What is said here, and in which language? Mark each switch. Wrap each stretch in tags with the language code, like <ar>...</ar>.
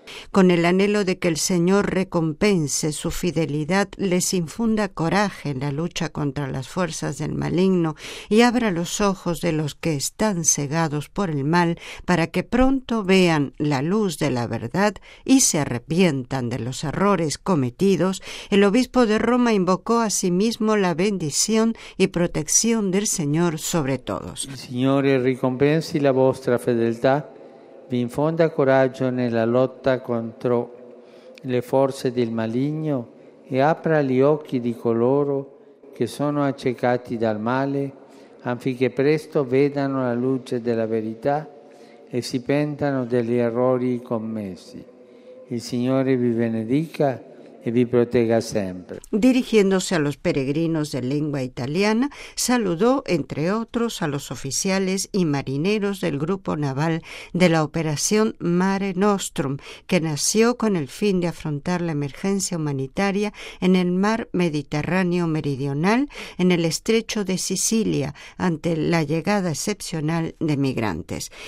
<es>Con el anhelo de que el Señor recompense su fidelidad, les infunda coraje en la lucha contra las fuerzas del maligno y abra los ojos de los que están cegados por el mal para que pronto vean la luz de la verdad y se arrepientan de los errores cometidos, el obispo de Roma invocó a sí mismo la bendición y protección del Señor sobre todos.</es> <it>Signore, ricompensi la vostra fedeltà. Vi infonda coraggio nella lotta contro le forze del maligno e apra gli occhi di coloro che sono accecati dal male, affinché presto vedano la luce della verità e si pentano degli errori commessi. Il Signore vi benedica.</it> <es>Y vi proteja siempre. Dirigiéndose a los peregrinos de lengua italiana, saludó, entre otros, a los oficiales y marineros del grupo naval de la operación Mare Nostrum, que nació con el fin de afrontar la emergencia humanitaria en el mar Mediterráneo Meridional, en el estrecho de Sicilia, ante la llegada excepcional de migrantes.</es>